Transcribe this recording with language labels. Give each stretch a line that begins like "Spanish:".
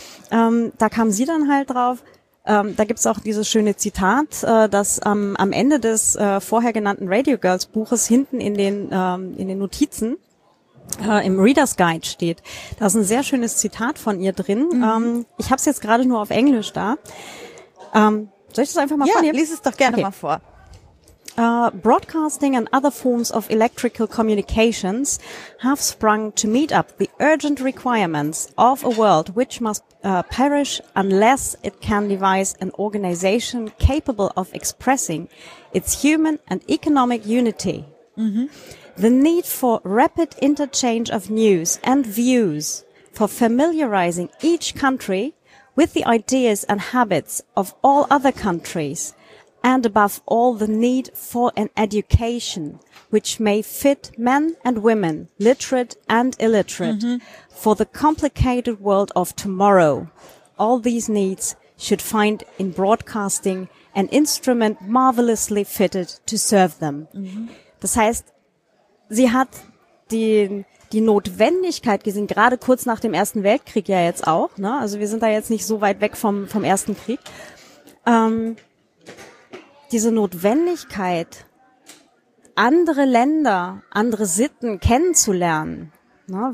German: Da kam sie dann halt drauf. Da gibt's auch dieses schöne Zitat, das am Ende des vorher genannten Radio Girls Buches hinten in den Notizen im Reader's Guide steht. Da ist ein sehr schönes Zitat von ihr drin. Mhm. Ich habe es jetzt gerade nur auf Englisch da. Soll ich das einfach mal vornehmen? Ja, lies es doch gerne mal vor.
English: Broadcasting and other forms of electrical communications have sprung to meet up the urgent requirements of a world which must perish unless it can devise an organization capable of expressing its human and economic unity. Mm-hmm. The need for rapid interchange of news and views, for familiarizing each country with the ideas and habits of all other countries, and above all the need for an education which may fit men and women, literate and illiterate, for the complicated world of tomorrow. All these needs should find in broadcasting an instrument marvelously fitted to serve them. Mm-hmm.
German: Das heißt, sie hat die Notwendigkeit gesehen, gerade kurz nach dem Ersten Weltkrieg ja jetzt auch, ne? Also wir sind da jetzt nicht so weit weg vom Ersten Krieg. Diese Notwendigkeit, andere Länder, andere Sitten kennenzulernen, ne?